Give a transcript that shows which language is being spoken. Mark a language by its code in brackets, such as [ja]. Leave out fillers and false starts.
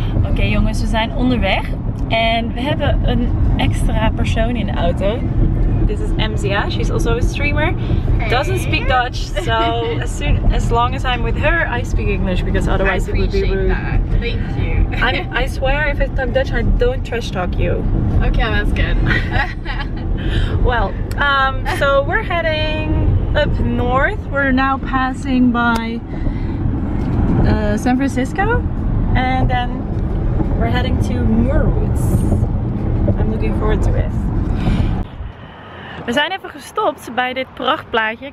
[nl] Oké, jongens, we zijn onderweg en we hebben een extra persoon in de auto. [en] This is MZA, she's also a streamer. Hey. Doesn't speak Dutch, so as long as I'm with her, I speak English because otherwise it would be rude. I appreciate that. Thank you. I swear, if I'm Dutch, I don't trash talk you. Okay, that's good. Well, so we're heading up north. We're now passing by San Francisco and then we're heading to Moorwoods. I'm looking forward to it. [nl] We zijn even gestopt bij dit prachtplaatje.